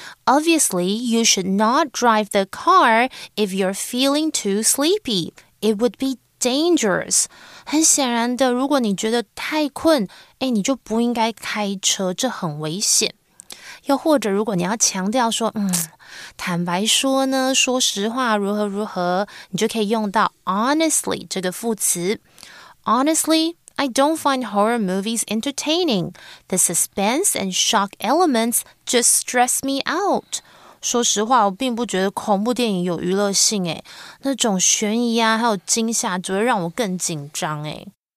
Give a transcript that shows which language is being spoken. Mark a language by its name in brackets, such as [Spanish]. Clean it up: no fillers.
[English] Obviously, you should not drive the car if you're feeling too sleepy. It would be dangerous. [Chinese] 很显然的，如果你觉得太困，哎，你就不应该开车，这很危险。又或者，如果你要强调说，坦白说呢，说实话，如何如何，你就可以用到 honestly 这个副词。 [English] Honestly, I don't find horror movies entertaining. The suspense and shock elements just stress me out. [Chinese] 说实话，我并不觉得恐怖电影有娱乐性诶，那种悬疑啊，还有惊吓，只会让我更紧张诶。